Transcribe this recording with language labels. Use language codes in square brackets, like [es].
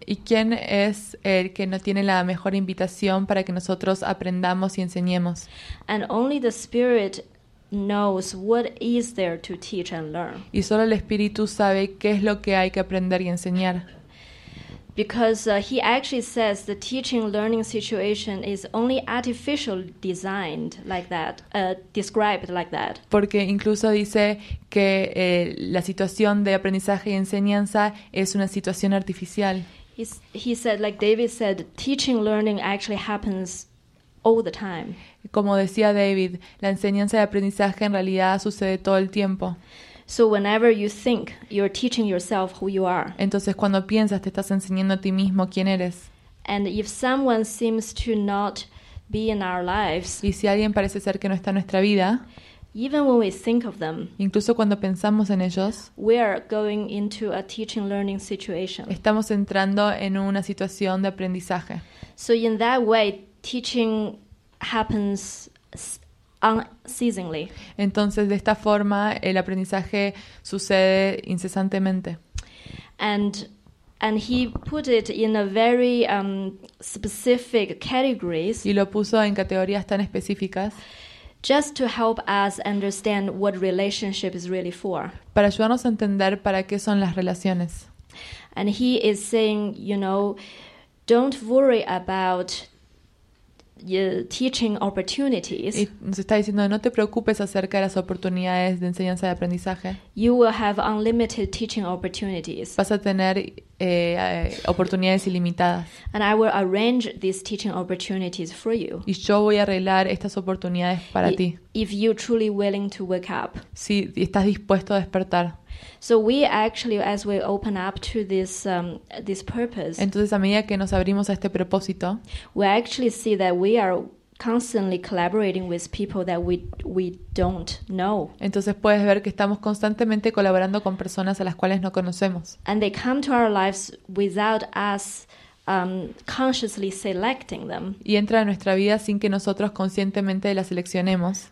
[es] ¿Y quién es el que no tiene la mejor invitación para que nosotros aprendamos y enseñemos? [en] And only the spirit knows what is there to teach and learn. [es] Y solo el espíritu sabe qué es lo que hay que aprender y enseñar. [en] Because he actually says the teaching learning situation is only artificially designed like that, described like that. [es] Porque incluso dice que la situación de aprendizaje y enseñanza es una situación artificial. [en] He said, like David said, teaching learning actually happens all the time. [es] Como decía David, la enseñanza y aprendizaje en realidad sucede todo el tiempo. [en] So whenever you think you're teaching yourself who you are. [es] Entonces cuando piensas te estás enseñando a ti mismo quién eres. [en] And if someone seems to not be in our lives. [es] Y si alguien parece ser que no está en nuestra vida. [en] Even when we think of them, [es] incluso cuando pensamos en ellos, [en] we are going into a teaching learning situation. [es] Estamos entrando en una situación de aprendizaje. [en] So in that way, teaching happens unceasingly. [es] Entonces, de esta forma, el aprendizaje sucede incesantemente. [en] And he put it in a very specific categories. [es] Y lo puso en categorías tan específicas. [en] Just to help us understand what relationship is really for. [es] Para ayudarnos a entender para qué son las relaciones. [en] And he is saying, you know, don't worry about teaching opportunities. [es] Y nos está diciendo, no te preocupes acerca de las oportunidades de enseñanza y aprendizaje. [en] You will have unlimited teaching opportunities. [es] Vas a tener oportunidades ilimitadas. [en] And I will arrange these teaching opportunities for you. [es] Y yo voy a arreglar estas oportunidades para ti. [en] If you're truly willing to wake up. [es] Si estás dispuesto a despertar. [en] So we actually, as we open up to this purpose, [es] entonces a medida que nos abrimos a este propósito, [en] we actually see that we are constantly collaborating with people that we don't know. [es] Entonces puedes ver que estamos constantemente colaborando con personas a las cuales no conocemos. [en] And they come to our lives without us consciously selecting them. [es] Y entra a nuestra vida sin que nosotros conscientemente la seleccionemos.